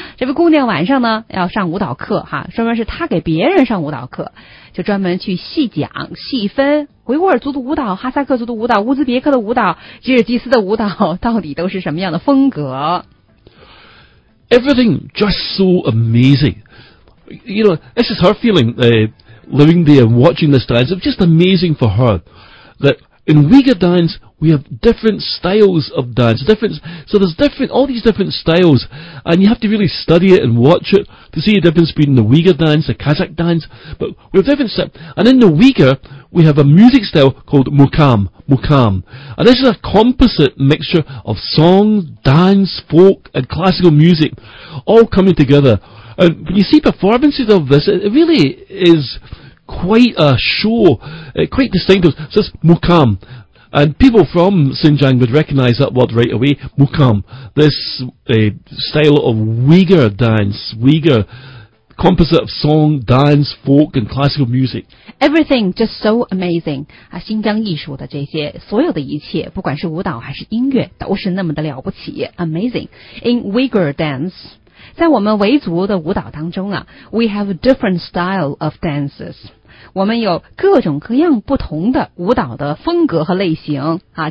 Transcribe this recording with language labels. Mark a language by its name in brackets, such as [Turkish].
[Chinese] 这位姑娘晚上呢要上舞蹈课哈，专门是她给别人上舞蹈课，就专门去细讲细分维吾尔族的舞蹈、哈萨克族的舞蹈、乌兹别克的舞蹈、吉尔吉斯的舞蹈到底都是什么样的风格。 [English] Everything just so amazing. You know, this is her feeling, living there and watching this dance. It's just amazing for her that in Uyghur dance, we have different styles of dance. All these different styles, and you have to really study it and watch it to see the difference between the Uyghur dance, the Kazakh dance. But we have different styles. And in the Uyghur, we have a music style called Mukam. And this is a composite mixture of song, dance, folk, and classical music all coming together. And when you see performances of this, it really is quite a show, quite distinctive. So it's Mukam. And people from Xinjiang would recognize that word right away, Mukam. This style of Uyghur dance, Uyghur composite of song, dance, folk, and classical music. Everything just so amazing. [Chinese] 啊，新疆艺术的这些所有的一切，不管是舞蹈还是音乐，都是那么的了不起。 [English] Amazing. In Uyghur dance, [Chinese] 在我们维族的舞蹈当中啊 [English] ，we have a different style of dances. [Chinese] 我们有各种各样不同的舞蹈的风格和类型啊。